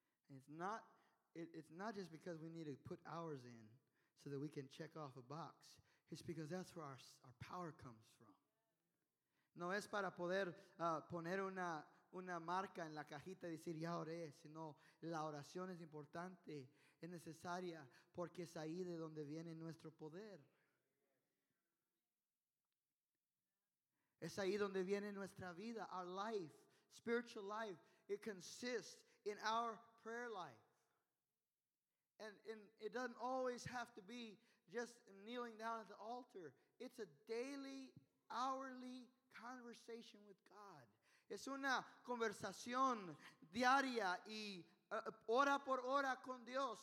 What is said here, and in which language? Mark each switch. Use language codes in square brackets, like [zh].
[en] And it's not just because we need to put hours in so that we can check off a box. It's because that's where our power comes from. [es] No es para poder poner una marca en la cajita y decir ya oré, sino la oración es importante, es necesaria, porque es ahí de donde viene nuestro poder. Es ahí donde viene nuestra vida, [en] our life. Spiritual life, it consists in our prayer life. And it doesn't always have to be just kneeling down at the altar. It's a daily, hourly conversation with God. [es] Es una conversación diaria y hora por hora con Dios.